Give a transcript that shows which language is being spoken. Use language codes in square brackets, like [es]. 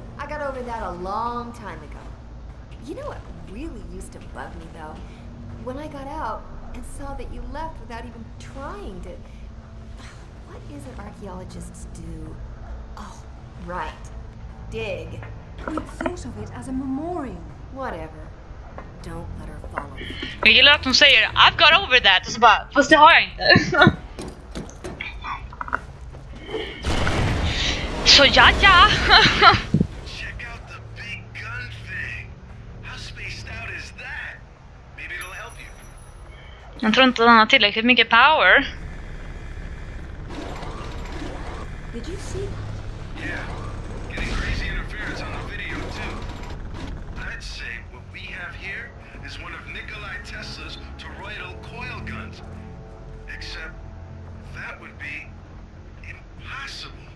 [en] I got over that a long time ago. You know what really used to bug me, though? When I got out and saw that you left without even trying to... What is it archaeologists do? Oh, right. Dig. We thought of it as a memorial. Whatever. Don't let her follow me. [sv] Jag gillar att hon säger, [en] I've got over that. [sv] Och så bara, fast det har jag inte. Så ja, ja. [en] Check out the big gun thing. How spaced out is that? Maybe it'll help you. [sv] Jag tror inte den har tillräckligt mycket power. [en] Did you see that? Yeah, getting crazy interference on the video too. I'd say what we have here is one of Nikola Tesla's toroidal coil guns. Except that would be impossible.